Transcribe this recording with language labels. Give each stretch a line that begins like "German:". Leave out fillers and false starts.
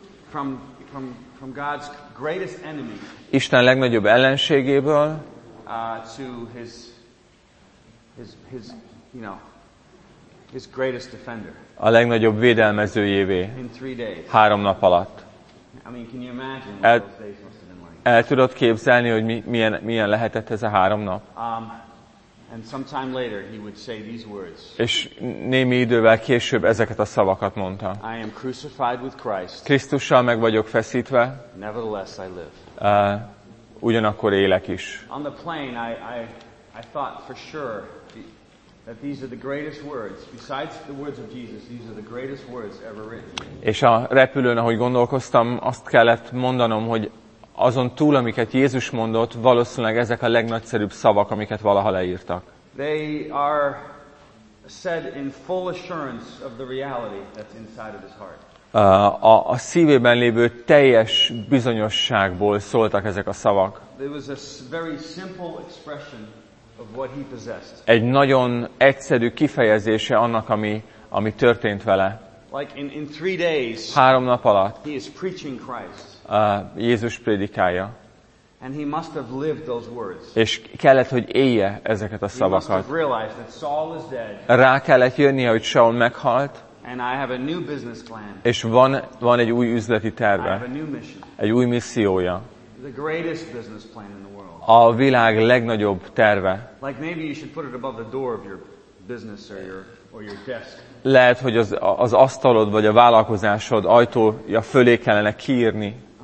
English: From God's greatest enemy.
Hungarian: Isten legnagyobb ellenségéből.
English: To his you know his greatest defender.
Hungarian: A legnagyobb védelmezőjévé.
English: In 3 days.
Hungarian: 3 nap alatt.
English: I mean, can you imagine what those days must have been like?
Hungarian: El tudod képzelni, hogy milyen lehetett ez a 3 nap?
English: And sometime later he would say these words.
Hungarian: És némi idővel később ezeket a szavakat mondta.
English: I am crucified with Christ.
Hungarian: Krisztussal meg vagyok feszítve.
English: Nevertheless I live.
Hungarian: Ugyanakkor élek is.
English: On the plane I thought for sure that these are the greatest words besides the words of Jesus. These are the greatest words ever written.
Hungarian: És a repülőn, ahogy gondolkoztam, azt kellett mondanom, hogy azon túl, amiket Jézus mondott, valószínűleg ezek a legnagyszerűbb szavak, amiket valaha leírtak.
English: They are said in full assurance of the reality that's inside of his heart.
Hungarian: A szívében lévő teljes bizonyosságból szóltak ezek a szavak.
English: It was a very simple expression of what he possessed.
Hungarian: Egy nagyon egyszerű kifejezése annak, ami történt vele.
English: Like in 3 days.
Hungarian: 3 nap alatt.
English: He is preaching Christ.
Hungarian: Jézus prédikálja.
English: And he must have lived those words.
Hungarian: És kellett, hogy élje ezeket a szavakat.
English: He must have realized that Saul is dead.
Hungarian: Rá kellett jönnie, hogy Saul meghalt.
English: And I have a new business plan.
Hungarian: És van egy új üzleti terve.
English: I have a new mission.
Hungarian: Egy új missziója.
English: The greatest business plan in the world.
Hungarian: A világ legnagyobb terve.
English: Like maybe you should put it above the door of your business or your desk.
Hungarian: Lehet, hogy az asztalod vagy a vállalkozásod ajtója fölé kellene kiírni.